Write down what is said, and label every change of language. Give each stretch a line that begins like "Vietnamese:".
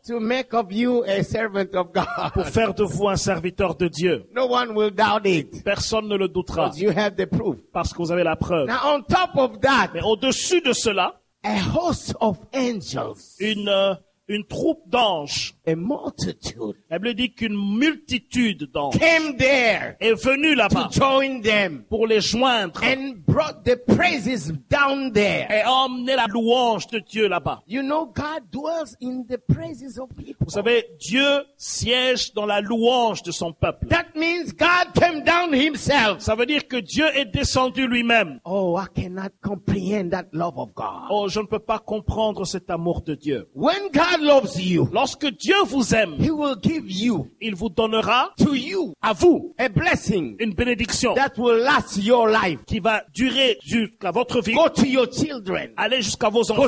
English: To make of you a servant of God.
French: Pour faire de vous un serviteur de Dieu.
English: No one will doubt it.
French: Personne ne le doutera.
English: Because you have the proof.
French: Parce que vous avez la preuve.
English: Now on top of that.
French: Mais au-dessus de cela.
English: A host of angels.
French: Une troupe d'anges.
English: A multitude.
French: La Bible dit qu'une multitude d'anges
English: came there
French: est venue là-bas
English: to join them
French: pour les joindre
English: and brought the praises down there
French: et emmener la louange de Dieu là-bas.
English: You know, God dwells in the praises of people.
French: Vous savez, Dieu siège dans la louange de son peuple.
English: That means God came down himself.
French: Ça veut dire que Dieu est descendu lui-même.
English: Oh, I cannot comprehend that love of God.
French: Oh, je ne peux pas comprendre cet amour de Dieu.
English: When God loves you,
French: lorsque Dieu vous aime,
English: he will give you,
French: il vous donnera
English: to you,
French: à vous
English: a blessing,
French: une bénédiction
English: that will last your life,
French: qui va durer jusqu'à votre vie.
English: Go to your children,
French: allez jusqu'à vos enfants,